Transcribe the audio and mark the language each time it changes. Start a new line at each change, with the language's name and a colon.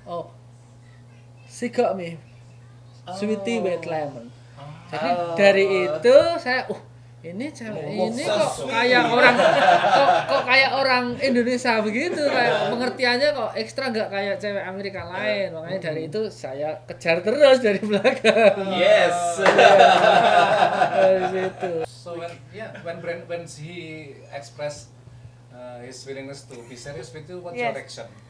English: Oh, she got me sweet tea with lemon.
Indonesian: Jadi dari itu saya ini cewek ini kok kayak orang kok kayak orang Indonesia begitu kayak pengertiannya kok ekstra nggak kayak cewek Amerika lain makanya dari itu saya kejar terus dari belakang.
English: Yes.
Indonesian: Dari situ.
English: So when he express his willingness to be serious with you, what's your reaction?